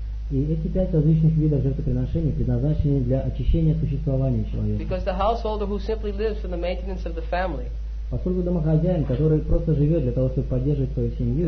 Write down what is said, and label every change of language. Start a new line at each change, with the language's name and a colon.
Russian: И эти пять различных видов жертвоприношений предназначены для очищения существования человека.
English: Because the householder who simply lives for the maintenance of the family.
Russian: Поскольку домохозяин, который просто живет для того, чтобы поддерживать свою семью.